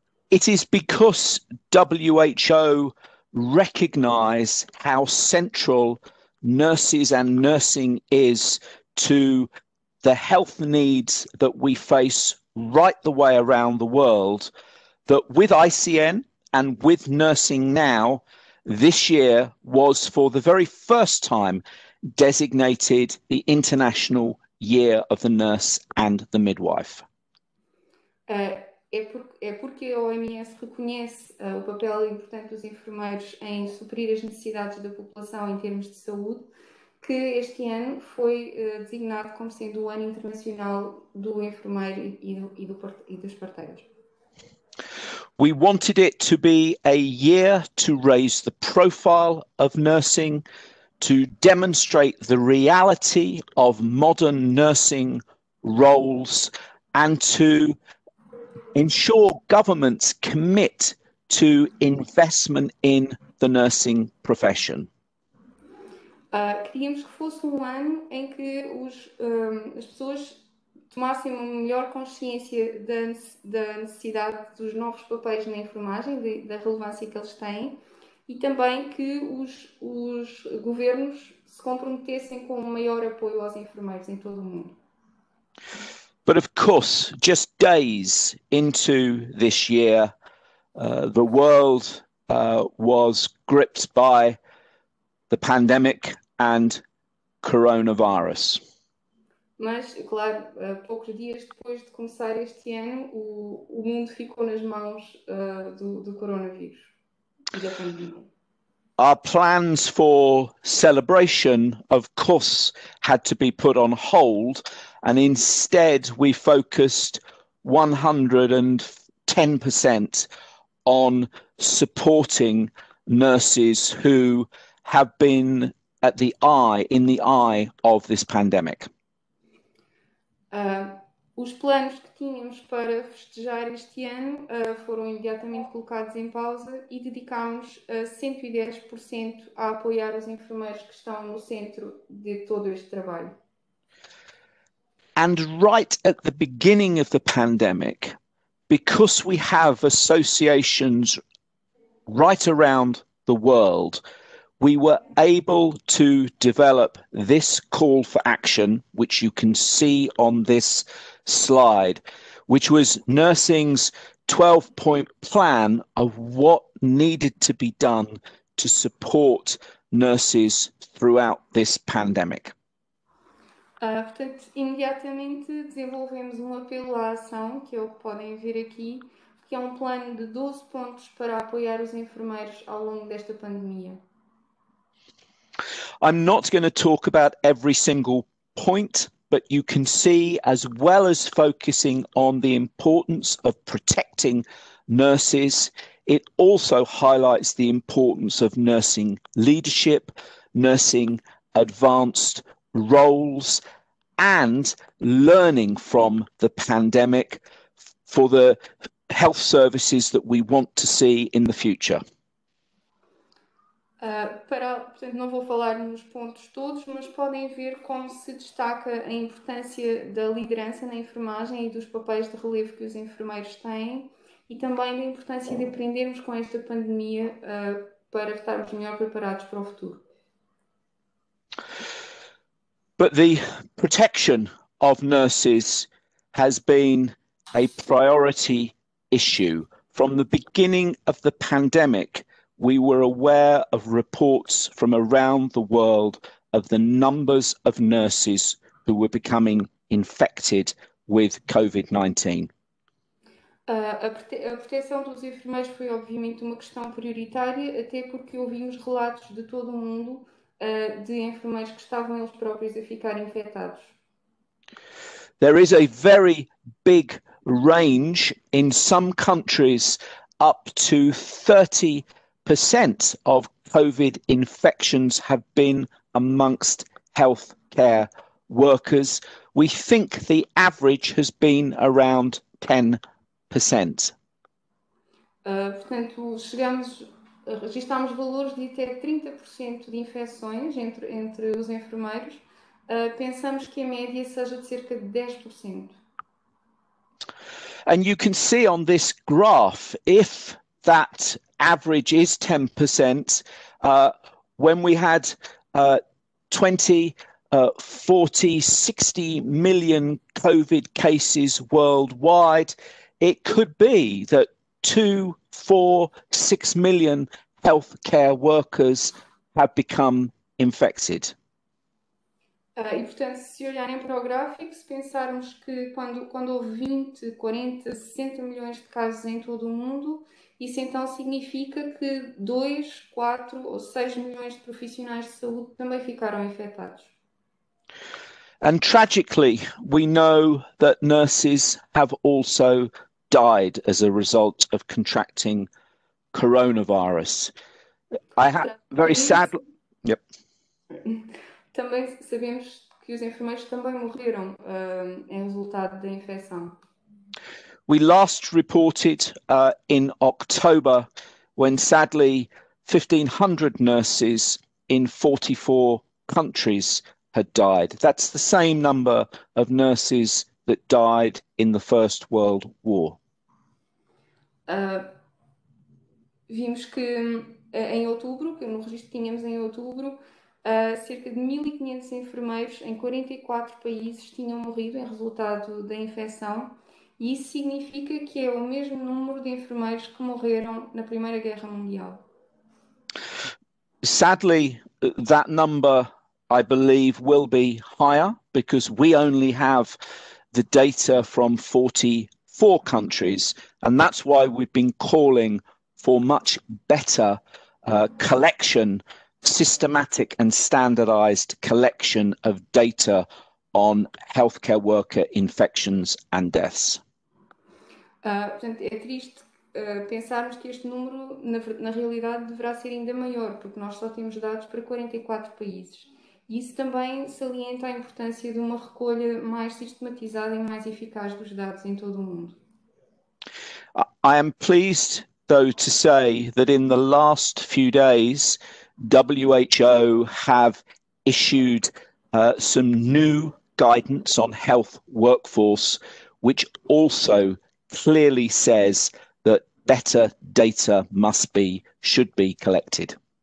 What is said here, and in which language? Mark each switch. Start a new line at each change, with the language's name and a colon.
English: It is because WHO recognize how central nurses and nursing is to the health needs that we face right the way around the world, that with ICN and with Nursing Now, this year was for the very first time designated the International Year of the Nurse and the Midwife.
Portuguese: É porque a OMS reconhece o papel importante dos enfermeiros em suprir as necessidades da população em termos de saúde, que este ano foi designado como sendo o Ano Internacional do Enfermeiro e dos Parteiros.
English: We wanted it to be a year to raise the profile of nursing, to demonstrate the reality of modern nursing roles and to ensure governments commit to investment in the nursing profession.
Portuguese: Queríamos que fosse um ano em que as pessoas tomassem uma melhor consciência da necessidade dos novos papéis na enfermagem, da relevância que eles têm, e também que os governos se comprometessem com um maior apoio aos enfermeiros em todo o mundo.
English: But of course, just days into this year, the world was gripped by the pandemic and coronavirus.
Portuguese: Mas, claro, poucos dias depois de começar este ano, o mundo ficou nas mãos do coronavírus e da pandemia.
English: Our plans for celebration, of course, had to be put on hold. And instead, we focused 110% on supporting nurses who have been in the eye of this pandemic.
Portuguese: Os planos que tínhamos para festejar este ano foram imediatamente colocados em pausa e dedicámos 110% a apoiar os enfermeiros que estão no centro de todo este trabalho.
English: And right at the beginning of the pandemic, because we have associations right around the world, we were able to develop this call for action, which you can see on this slide, which was nursing's 12-point plan of what needed to be done to support nurses throughout this pandemic.
Portuguese: Portanto, imediatamente desenvolvemos um apelo à ação, que é o que podem ver aqui, que é um plano de 12 pontos para apoiar os enfermeiros ao longo desta pandemia.
English: I'm not going to talk about every single point, but you can see, as well as focusing on the importance of protecting nurses, it also highlights the importance of nursing leadership, nursing advanced roles and learning from the pandemic for the health services that we want to see in the future.
Portuguese: Portanto, não vou falar nos pontos todos, mas podem ver como se destaca a importância da liderança na enfermagem e dos papéis de relevo que os enfermeiros têm e também da importância de aprendermos com esta pandemia para estarmos melhor preparados para o futuro.
English: But the protection of nurses has been a priority issue. From the beginning of the pandemic, we were aware of reports from around the world of the numbers of nurses who were becoming infected with COVID-19.
Portuguese: A proteção dos enfermeiros foi obviamente uma questão prioritária, até porque ouvimos relatos de todo o mundo de enfermeiros que estavam eles próprios a ficar infectados.
English: There is a very big range in some countries, up to 30% of COVID infections have been amongst healthcare workers. We think the average has been around 10%.
Portuguese: Portanto, registámos valores de até 30% de infecções entre os enfermeiros. Pensamos que a média seja de cerca de 10%.
English: And you can see on this graph, if that average is 10%, when we had 20, 40, 60 million COVID cases worldwide, it could be that 2, 4, 6 million healthcare workers have become infected.
Portuguese: E, portanto, se olharem para o gráfico, se pensarmos que quando houve 20, 40, 60 milhões de casos em todo o mundo, isso então significa que 2, 4 ou 6 milhões de profissionais de saúde também ficaram infectados.
English: And tragically, we know that nurses have also died as a result of contracting coronavirus. I have very sadly. Yep.
Portuguese: Também sabemos que os enfermeiros também morreram, em resultado da infecção.
English: We last reported in October when sadly 1,500 nurses in 44 countries had died. That's the same number of nurses that died in the First World War.
Portuguese: Vimos que em outubro, que no registro que tínhamos em outubro, cerca de 1.500 enfermeiros em 44 países tinham morrido em resultado da infecção, e isso significa que é o mesmo número de enfermeiros que morreram na Primeira Guerra Mundial.
English: Sadly, that number I believe will be higher because we only have the data from 44 countries, and that's why we've been calling for much better collection, systematic and standardized collection of data on healthcare worker infections and deaths.
Portuguese: Portanto, é triste pensarmos que este número, na realidade, deverá ser ainda maior, porque nós só temos dados para 44 países. E isso também salienta a importância de uma recolha mais sistematizada e mais eficaz dos dados em todo o mundo.
English: I am pleased, though, to say that in the last few days, WHO have issued some new guidance on health workforce, which also clearly says that better data must be, should be collected.